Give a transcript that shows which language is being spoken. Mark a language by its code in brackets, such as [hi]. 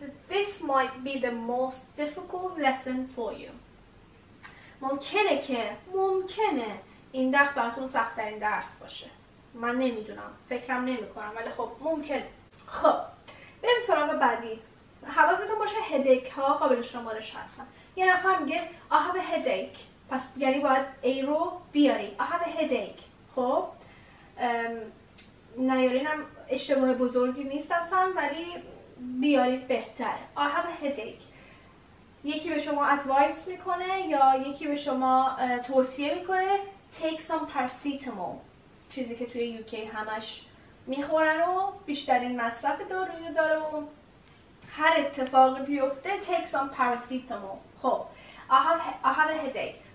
[en] This might be the most difficult lesson for you. [fa] ممکنه این درس براتون سخت‌ترین درس باشه. من نمیدونم، فکرم نمی‌کنم، ولی خب ممکنه. خب بریم سراغ بعدی. حواستون باشه هدیک ها قابل شمارش هستن. یه نفر میگه [en] I have a headache، [fa] پس یعنی باید A رو بیاری. [en] I have a headache. [fa] خب نیارین هم اشتباه بزرگی نیست اصلا، ولی بیارید بهتره. [en] I have a headache. [fa] یکی به شما advice میکنه یا یکی به شما توصیه میکنه [en] take some paracetamol، [fa] چیزی که توی UK همش میخورن و بیشترین مصرف داروی داره و هر اتفاق بیفته [en] take some paracetamol. خب I have a headache.